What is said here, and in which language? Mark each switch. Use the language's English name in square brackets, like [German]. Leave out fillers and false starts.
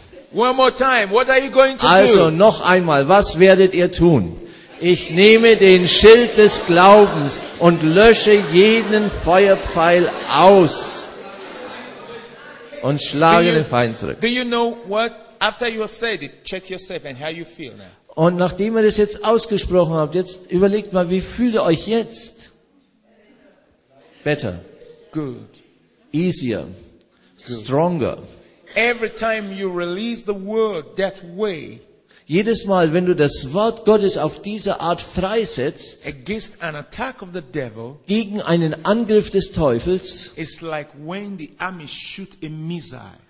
[English] One more time. What are you going to do? [German] Also noch einmal, was werdet ihr tun? Ich nehme den Schild des Glaubens und lösche jeden Feuerpfeil aus und schlage den Feind zurück. [English] Do you know what? After you have said it, check yourself and how you feel now. [German] Und nachdem ihr das jetzt ausgesprochen habt, jetzt überlegt mal, wie fühlt ihr euch jetzt? [English] Better. Good. Easier. Good. Stronger. Every time you release the word that way, [German] jedes Mal, wenn du das Wort Gottes auf diese Art freisetzt, [English] against an attack of the devil, [German] gegen einen Angriff des Teufels, [English] it's like when the army shoot a missile.